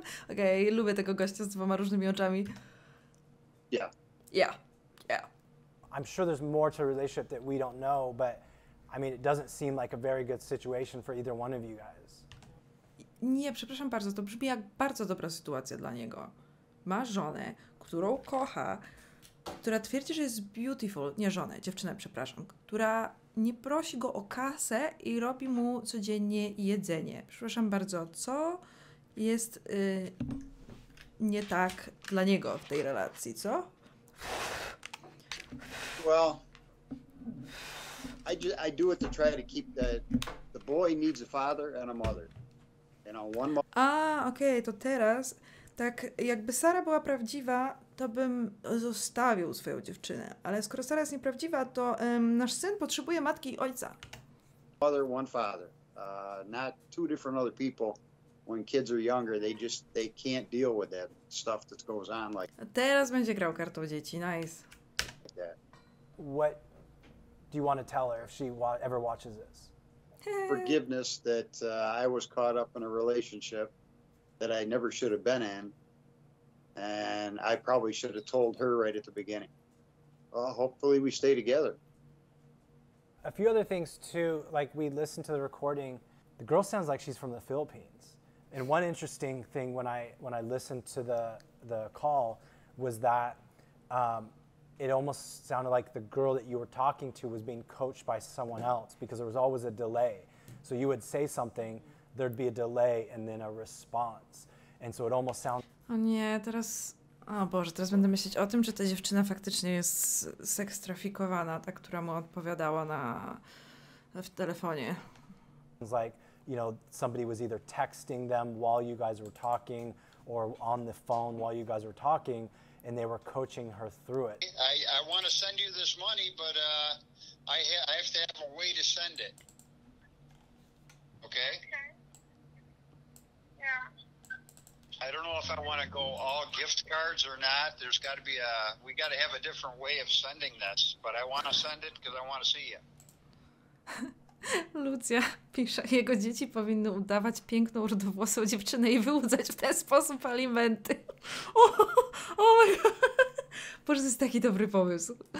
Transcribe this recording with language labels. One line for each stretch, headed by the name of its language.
Polish: Okay, I lubię tego gościa z dwoma różnymi oczami.
English: Yeah. Yeah. Yeah. I'm sure there's more to a relationship that we don't know, but I mean, it doesn't seem like a very good situation for either one of you guys.
Polish: Nie, przepraszam bardzo, to brzmi jak bardzo dobra sytuacja dla niego. Ma żonę, którą kocha, która twierdzi, że jest beautiful, nie żonę, dziewczynę, przepraszam, która nie prosi go o kasę i robi mu codziennie jedzenie. Przepraszam bardzo, co jest nie tak dla niego w tej relacji, co?
English: Well, I do it to try to keep the boy needs a father and a mother. You know, one more.
Polish: Okej, to teraz, tak jakby Sara była prawdziwa, to bym zostawił swoją dziewczynę. Ale skoro Sara jest nieprawdziwa, to nasz syn potrzebuje matki i ojca.
English: Mother, one father. Not two different other people. When kids are younger, they can't deal with that stuff that goes on. Like.
Polish: Teraz będzie grał kartą dzieci.
English: Nice. Yeah. What do you want to tell her if she ever watches this? Forgiveness that I was caught up in a relationship that I never should have been in, and I probably should have told her right at the beginning. Well, hopefully we stay together. A few other things too, like we listened to the recording, the girl sounds like she's from the Philippines. And one interesting thing when I listened to the call was that it almost sounded like the girl that you were talking to was being coached by someone else, because there was always a delay. So you would say something, there'd be a delay and then a response. And so it almost sounded...
Polish: O nie, teraz... O Boże, teraz będę myśleć o tym, czy ta dziewczyna faktycznie jest sekstrafikowana, ta, która mu odpowiadała w telefonie.
English: It was like, you know, somebody was either texting them while you guys were talking or on the phone while you guys were talking. And they were coaching her through it. I want to send you this money, but I have to have a way to send it. Okay? Okay. Yeah. I don't know if I want to go all gift cards or not. There's got to be a... We got to have a different way of sending this. But I want to send it because I want to see you.
Polish: Lucja pisze, jego dzieci powinny udawać piękną rudowłosą dziewczynę i wyłudzać w ten sposób alimenty.
English: Oh my God.
Polish: Boże, to jest taki dobry pomysł.